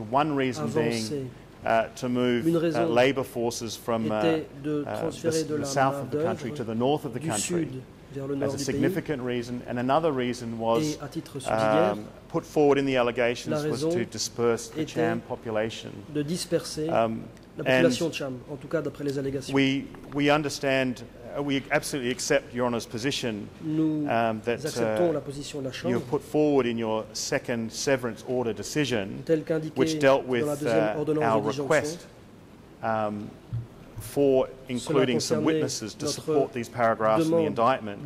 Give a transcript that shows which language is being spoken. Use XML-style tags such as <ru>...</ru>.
<en>One reason being to move labor forces from the south of the country to the north of the country as a significant reason. And another reason was put forward in the allegations was to disperse the Cham population.</en> <fr>La population de Cham, en tout cas d'après les allégations.</fr> <en>We understand, we absolutely accept Your Honour's position that</en> <fr>la position de la Chambre,</fr> <en>you have put forward in your second severance order decision,</en> <fr>tel qu'indiqué</fr> <en>which dealt with our request for including some witnesses to support these paragraphs in the indictment.</en>